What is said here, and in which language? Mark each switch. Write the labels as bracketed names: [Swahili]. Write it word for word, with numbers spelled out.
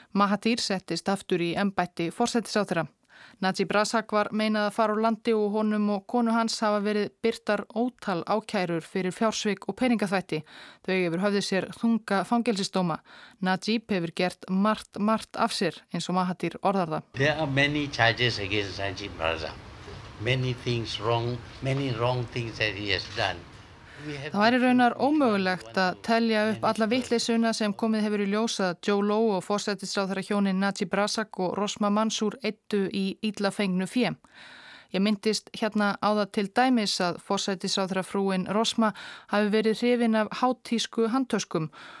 [Icelandic] Mahathir settist aftur í embætti forsætisráðherra. Najib Razak var meinað að fara úr landi og honum og konu hans hafa verið birtar ótal ákærur fyrir fjársvik og peningaþvætti. Þau hefur höfði sér þunga fangelsisdóma. Najib hefur gert margt, margt af sér eins og Mahathir orðar það. [English] There are many charges against Najib Razak. Many things wrong, many wrong things that he has done. [Icelandic] Það væri raunar ómögulegt að telja upp alla vitleysuna sem komið hefur í ljósa Joe Low og forsætisráðherra hjónin Najib Razak og Rosma Mansur eittu í illafengnu fé. Ég myndist hérna á það til dæmis að forsætisráðherra frúin Rosma hafi verið hrifin af hátísku handtöskum.